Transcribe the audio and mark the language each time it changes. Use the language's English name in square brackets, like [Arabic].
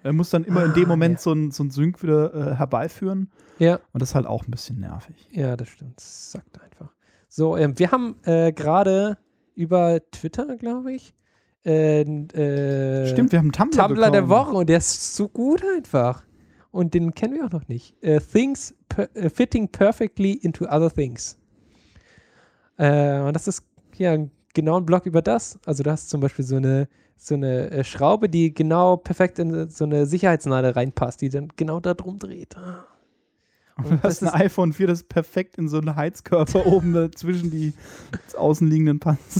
[German] Er muss dann immer in dem Moment so ein Sync wieder herbeiführen. Ja. Und das ist halt auch ein bisschen nervig. Ja, das stimmt. Sackt einfach. So, wir haben gerade über Twitter, glaube ich, stimmt, wir haben einen Tumblr bekommen. Der Woche und der ist so gut einfach. Und den kennen wir auch noch nicht. [English] Things fitting perfectly into other things. [German] Und das ist ja genau ein Blog über das. Also du hast zum Beispiel so eine Schraube, die genau perfekt in so eine Sicherheitsnadel reinpasst, die dann genau da drum dreht. Und du hast ein iPhone 4, das perfekt in so einen Heizkörper oben zwischen die außenliegenden Panzer.